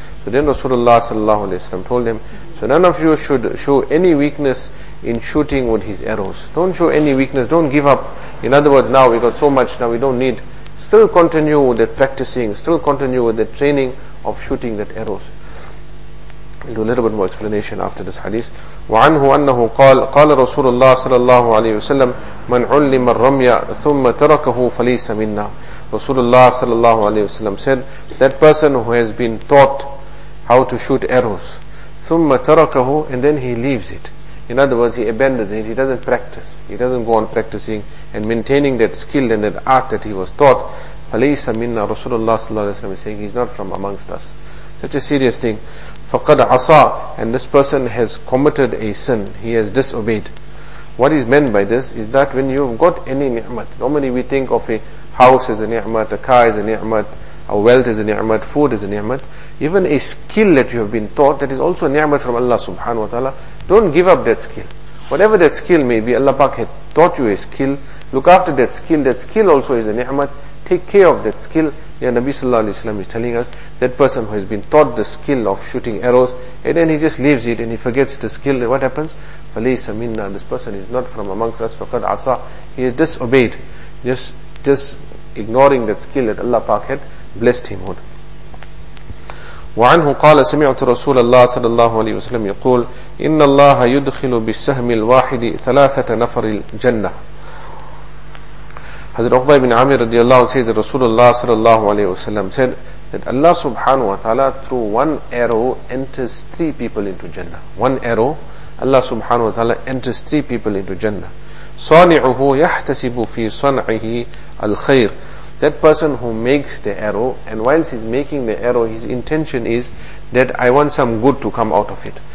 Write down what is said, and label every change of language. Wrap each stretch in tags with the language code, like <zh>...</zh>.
<en>So then Rasulullah sallallahu alayhi wa sallam told them, so none of you should show any weakness in shooting with his arrows. Don't show any weakness, don't give up. In other words, now we got so much, now we don't need. Still continue with the practicing, still continue with the training of shooting that arrows. We'll do a little bit more explanation after this hadith.</en> <ar>وعنه أنه قال قال رسول الله صلى الله عليه وسلم من علم الرمي ثم تركه فليس منا.</ar> <en>رسول الله صلى الله عليه وسلم said that person who has been taught how to shoot arrows</en> <ar>ثم تركه,</ar> <en>and then he leaves it. In other words, he abandons it, he doesn't practice, he doesn't go on practicing and maintaining that skill and that art that he was taught.</en> <ar>فَلَيْسَ مِنَّا رَسُولُ اللَّهِ صَلَّى اللَّهِ عَلَيْهِ وَسَلَّمَ</ar> <en>is saying he's not from amongst us. Such a serious thing.</en> <ar>فَقَدْ عَصَى,</ar> <en>and this person has committed a sin, he has disobeyed. What is meant by this is that when you've got any ni'mat, normally we think of a house as a ni'mat, a car as a ni'mat, a wealth as a ni'mat, food as a ni'mat, even a skill that you have been taught, that is also a ni'mat from Allah subhanahu wa ta'ala. Don't give up that skill. Whatever that skill may be, Allah Pak had taught you a skill, look after that skill. That skill also is a ni'mat. Take care of that skill. Yeah, Nabi sallallahu alayhi wa sallam is telling us, that person who has been taught the skill of shooting arrows, and then he just leaves it and he forgets the skill, then what happens?</en> <ar>فَلَيْسَ مِنَّا,</ar> <en>this person is not from amongst us.</en> <ar>فَقَدْ عَصَى,</ar> <en>he has disobeyed. Just ignoring that skill that Allah Pak had blessed him with.</en> <ar>وعنه قال سمعت رسول الله صلى الله عليه وسلم يقول إن الله يدخل بالسهم الواحد ثلاثة نفر الجنة.</ar> <en>Hazrat Uqba ibn Amir radiallahu anhu says that Rasulullah sallallahu alayhi wa sallam said that Allah subhanahu wa ta'ala through one arrow enters three people into Jannah. One arrow, Allah subhanahu wa ta'ala enters three people into Jannah.</en> <ar>صَانِعُهُ يَحْتَسِبُ فِي صَنْعِهِ الْخَيْرِ,</ar> <en>that person who makes the arrow, and whilst he's making the arrow, his intention is that I want some good to come out of it.</en>